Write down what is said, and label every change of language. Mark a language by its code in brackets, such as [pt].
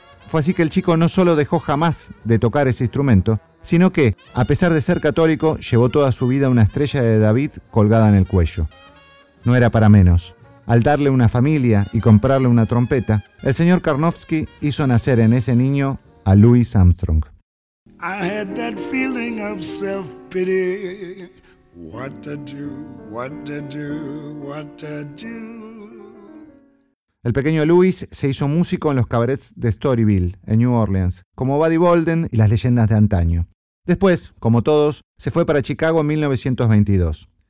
[es] Fue así que el chico no solo dejó jamás de tocar ese instrumento, sino que, a pesar de ser católico, llevó toda su vida una estrella de David colgada en el cuello. No era para menos. Al darle una familia y comprarle una trompeta, el señor Karnofsky hizo nacer en ese niño a Louis Armstrong. [en] I had that feeling of self-pity. What to do, what to do, what to do. [es] El pequeño Louis se hizo músico en los cabarets de Storyville, en New Orleans, como Buddy Bolden y las leyendas de antaño. Después, como todos, se fue para Chicago en 1922.